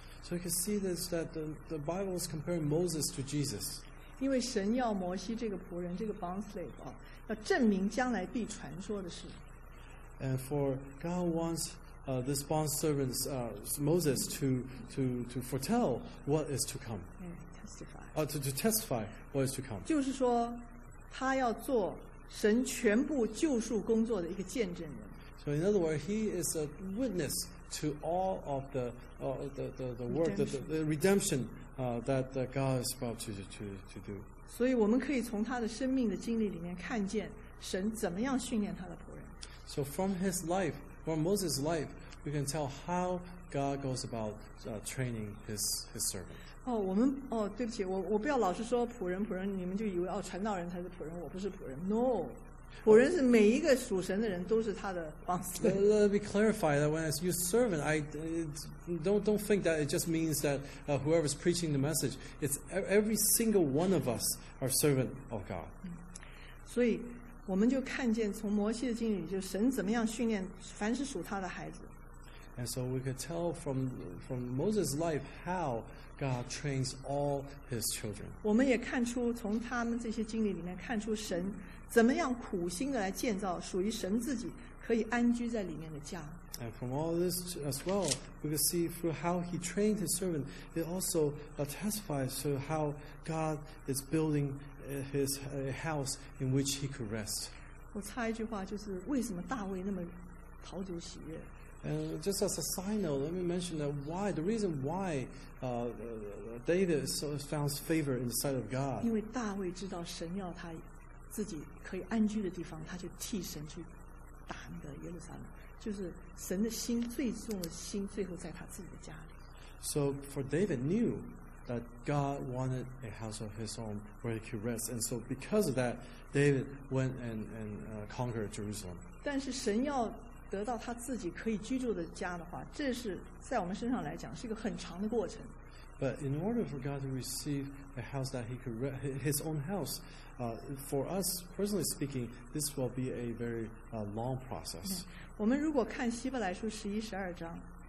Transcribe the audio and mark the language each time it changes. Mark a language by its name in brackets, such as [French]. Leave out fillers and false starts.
[English] So you can see this that the Bible is comparing Moses to Jesus. [Chinese] 因为神要摩西这个仆人，这个 [English] bond slave [Chinese] 啊，要证明将来必传说的事。 [English] And for God wants this bond servant Moses to foretell what is to come. Testify. To testify what is to come. [Chinese] 就是说，他要做神全部救赎工作的一个见证人。 [English] So in other words, he is a witness to all of the work, the redemption that God is about to do. [Chinese] 所以我们可以从他的生命的经历里面看见神怎么样训练他的仆人。 [English] So from his life, from Moses' life, we can tell how God goes about training his servant. [Chinese] 对不起，我不要老是说仆人仆人，你们就以为传道人才是仆人，我不是仆人。 No, 仆人是每一个属神的人都是他的帮手。 [English] Let me clarify that when I use servant, I don't think that it just means that whoever's preaching the message, it's every single one of us are servant of God. [Chinese] 所以。我们就看见从摩西的经历，就神怎么样训练凡是属他的孩子。 [English] And so we could tell from Moses' life how God trains all his children. [Chinese] 我们也看出从他们这些经历里面看出神怎么样苦心的来建造属于神自己可以安居在里面的家。 [English] And from all this as well, we can see through how he trained his servant, it also testifies to how God is building his house in which he could rest. [Chinese] 我插一句话就是为什么大卫那么讨主喜悦。 [English] And just as a side note, let me mention that why, the reason why David found favor in the sight of God. [Chinese] 因为大卫知道神要他自己可以安居的地方，他就替神去打那个耶路撒冷。就是神的心，最重的心，最后在他自己的家里。 [English] So for David knew that God wanted a house of his own where he could rest, and so because of that, David went and conquered Jerusalem. [Chinese] 但是神要得到他自己可以居住的家的话，这是在我们身上来讲是一个很长的过程。 [English] But in order for God to receive a house that he could his own house, for us personally speaking, this will be a very long process. [Chinese] 我们如果看希伯来书十一十二章